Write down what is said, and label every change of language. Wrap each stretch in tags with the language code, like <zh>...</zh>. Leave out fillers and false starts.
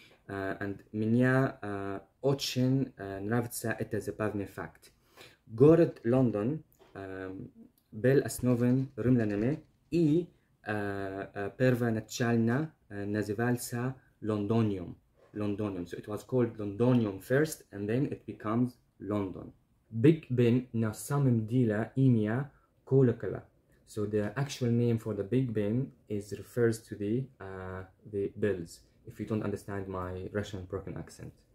<en>And</en> <ru>меня очень нравится это забавный факт. Город Лондон был основан римлянами и первоначально назывался Лондониум. Лондониум.</ru> <en>So it was called Лондониум first and then it becomes London.</en> <ru>Биг Бен на самом деле имя колокола.</ru> <en>So the actual name for the Big Ben refers to the bells, if you don't understand my Russian broken accent.</en>